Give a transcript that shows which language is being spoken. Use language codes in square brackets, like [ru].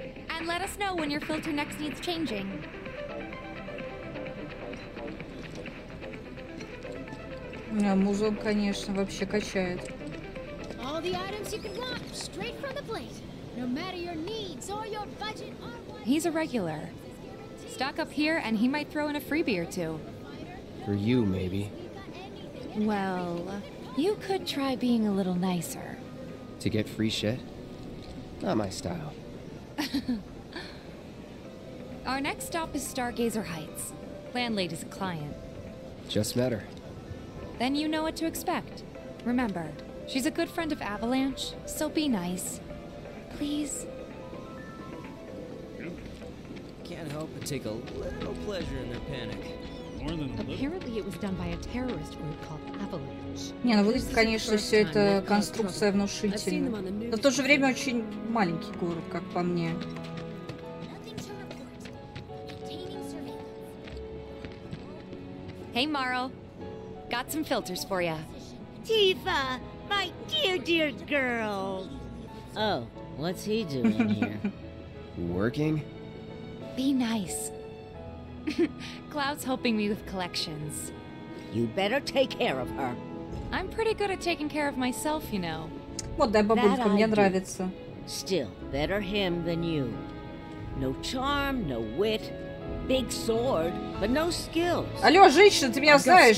[en] And let us know when your filter next needs changing. [ru] Музон, конечно, вообще качает. [en] All the items you can want, straight from the plate. No matter your needs or your budget. He's a regular. Stock up here, and he might throw in a freebie or two. For you, maybe. Well, you could try being a little nicer. To get free shit? Not my style. Our next stop is Stargazer Heights. Landlady's a client. Just met her. Then you know what to expect. Remember, she's a good friend of Avalanche, so be nice. Please? Can't help but take a little pleasure in their panic. More than a little. Apparently it was done by a terrorist group called Avalanche. [ru] Не, ну выглядит, конечно, все это конструкция внушительная. Но в то же время очень маленький город, как по мне. [en] Hey, Maro. Got some filters for ya. Tifa, my dear girl. Oh, what's he doing here? Working? Be nice. Cloud's helping me with collections. You better take care of her. I'm pretty good at taking care of myself, you know. [ru] Вот, дай бабулька, мне нравится. [en] Still, better him than you. No charm, no wit. Big sword, but no skills. [ru] Алло, женщина, ты меня знаешь?